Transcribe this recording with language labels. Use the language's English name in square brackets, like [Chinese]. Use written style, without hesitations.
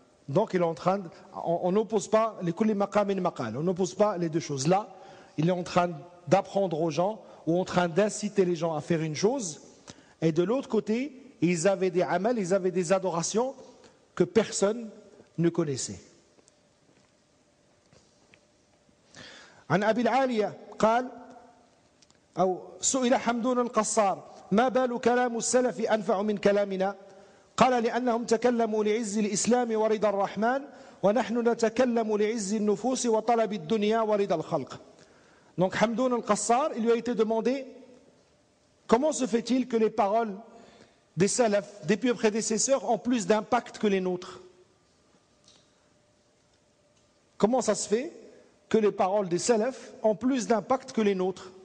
[French] Donc il est en train de, on n'oppose pas les kulli maqam et les maqal, on n'oppose pas les deux choses. Là, il est en train d'apprendre aux gens ou en train d'inciter les gens à faire une chose, et de l'autre côté, ils avaient des amals, ils avaient des adorations que personne ne connaissait. [Arabic] An Abi al-Aliya قال أو سئل حمدون القصار ما بال كلام السلف أنفع من كلامنا قال لأنهم تكلموا لعز الإسلام ورضا الرحمن ونحن نتكلم لعز النفوس وطلب الدنيا ورضا الخلق. [French] Donc Hamdoun al-Qassar, il lui a été demandé comment se fait-il que les paroles des salaf, des pieux prédécesseurs, ont plus d'impact que les nôtres? Comment ça se fait que les paroles des salaf ont plus d'impact que les nôtres?